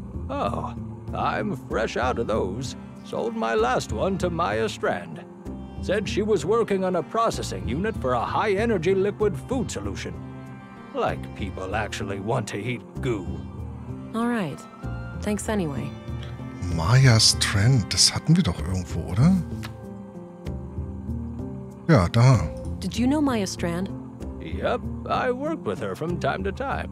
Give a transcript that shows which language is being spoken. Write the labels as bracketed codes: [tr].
[en] Oh, I'm fresh out of those. Sold my last one to Maya Strand. Said she was working on a processing unit for a high-energy liquid food solution. Like people actually want to eat goo. All right. Thanks anyway. [de] Maya Strand, das hatten wir doch irgendwo, oder? Ja, da. [en] Did you know Maya Strand? Yep, I worked with her from time to time.